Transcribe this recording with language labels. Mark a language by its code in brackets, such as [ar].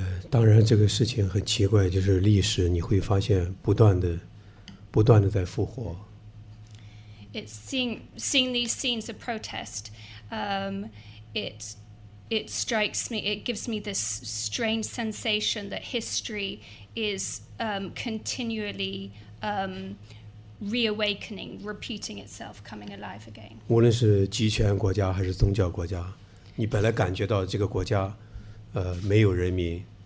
[zh] 当然这个事情很奇怪，就是历史你会发现不断的在复活。 [en] It's seeing these scenes of protest, it strikes me, it gives me this strange sensation that history is continually reawakening, repeating itself, coming alive again. [zh] 无论是集权国家还是宗教国家，你本来感觉到这个国家没有人民。